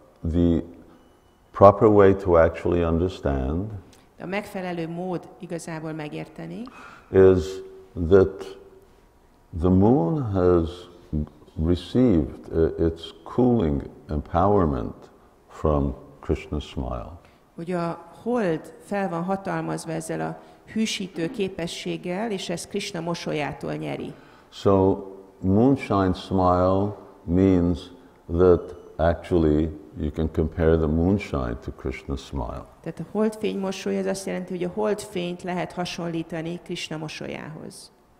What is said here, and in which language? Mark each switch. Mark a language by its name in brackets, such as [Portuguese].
[English] The proper way to actually understand, [Hungarian] a megfelelő mód igazából megérteni, [English] is that the moon has received its cooling empowerment from Krishna's smile. [Hungarian] Hogy a hold fel van hatalmazva ezzel a hűsítő képességgel, és ez Krishna mosolyától nyeri. [English] So moonshine smile means that actually you can compare the moonshine to Krishna's smile. [Hungarian] Tehát a holdfény mosoly az azt jelenti, hogy a holdfényt lehet hasonlítani Krishna mosolyához.